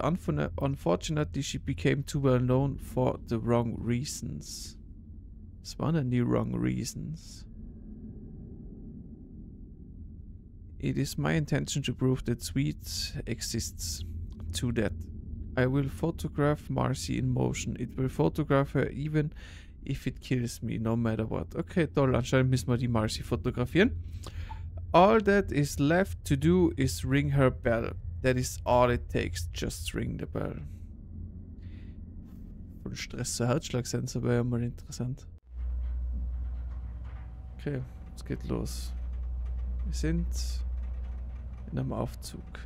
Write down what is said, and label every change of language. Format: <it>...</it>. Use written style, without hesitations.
<en>Unfortunately, she became too well-known for the wrong reasons.</en> <de>Es waren denn die</de> <en>wrong reasons? It is my intention to prove that Sweet exists. To that, I will photograph Marcy in motion. It will photograph her even if it kills me, no matter what.</en> <de>Okay, toll, anscheinend müssen wir die Marcy fotografieren.</de> <en>All that is left to do is ring her bell. That is all it takes. Just ring the bell.</en> <de>Von Stress zu Herzschlagsensor wäre ja mal interessant. Okay, es geht los. Wir sind in einem Aufzug.</de>